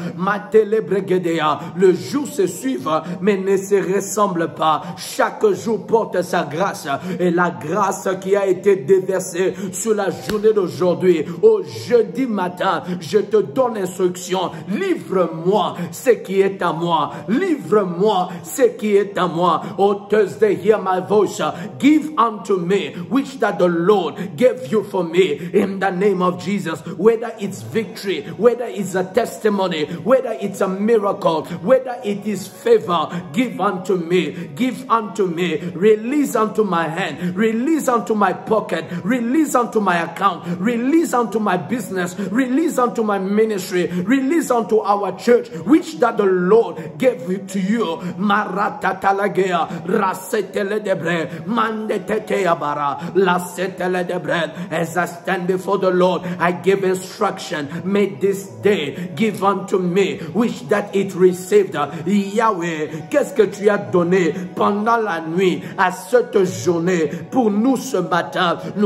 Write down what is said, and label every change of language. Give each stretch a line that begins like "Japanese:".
French: Matelebregedea, le jour se suivre, mais ne se ressemble pas. Chaque jour porte sa grâce et la grâce qui a été déversée sur la journée d'aujourd'hui. Au jeudi matin, je te donne instruction. Livre-moi ce qui est à moi. Livre-moi. moi ce qui est à moi.
English: Oh, Thursday, hear my voice. Give unto me which that the Lord gave you for me in the name of Jesus. Whether it's victory, whether it's a testimony, whether it's a miracle, whether it is favor, give unto me. Give unto me. Release unto my hand. Release unto my pocket. Release unto my account. Release unto my business. Release unto my ministry. Release unto our church, which that the Lord gave to you. Marata talagea, rasetele de bread, mandeteteya bara, lasetele de bread. As I stand before the Lord, I give instruction. May this day give unto me, which that it received.
French: Yahweh, qu'est-ce que tu as donné pendant la nuit à cette journée pour nous ce matin?